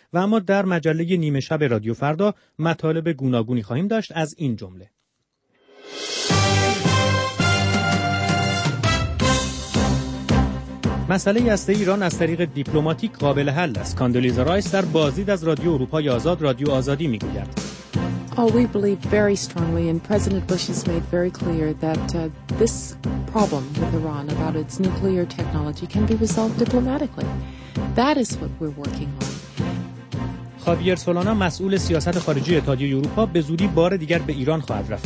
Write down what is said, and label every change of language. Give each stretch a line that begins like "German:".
Persian: و اما در مجله نیمه شب رادیو فردا مطالب گوناگونی خواهیم داشت از این جمله: مسئله هسته ایران از طریق دیپلماتیک قابل حل است. کاندولیزا رایس در بازدید از رادیو اروپای آزاد، رادیو آزادی میگوید
English: We believe very strongly, and President Bush has made very clear that this problem with Iran about its nuclear technology can be resolved diplomatically. That is what we're working on.
Persian: خاویر سولانا، مسئول سیاست خارجی اتحادیه اروپا، به زودی بار دیگر به ایران خواهد رفت.